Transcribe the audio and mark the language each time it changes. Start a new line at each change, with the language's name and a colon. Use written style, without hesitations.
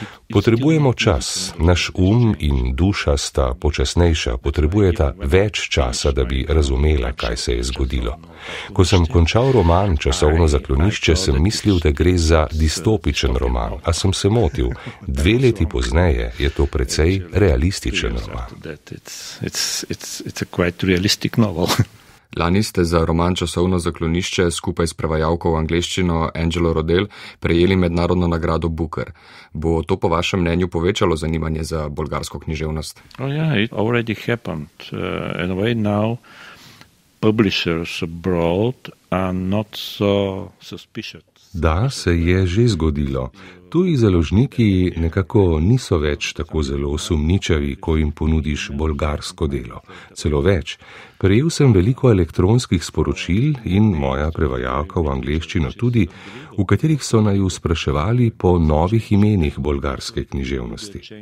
Slovenian: Potrebujemo čas, naš um in duša sta počasnejša, potrebujeta več časa, da bi razumela, kaj se je zgodilo. Ko sem končal roman Časovno zaklonišče, sem mislil, da gre za distopičen roman, a sem se motil. 2 leti pozneje je to precej realističen roman.
English: It's a quite realistic novel.
Slovenian: Lani ste za roman Časovno zaklonišče skupaj s prevajalko v angleščino Angelo Rodel prejeli mednarodno nagrado Booker. Bo to po vašem mnenju povečalo zanimanje za bolgarsko književnost?
English: Oh yeah, it already happened. In a way now publishers abroad are not so suspicious.
Slovenian: Da, se je že zgodilo. Tuji založniki nekako niso več tako zelo sumničavi, ko jim ponudiš bolgarsko delo. Celo več. Prejel sem veliko elektronskih sporočil in moja prevajalka v angleščino tudi, v katerih so naju spraševali po novih imenih bolgarske književnosti.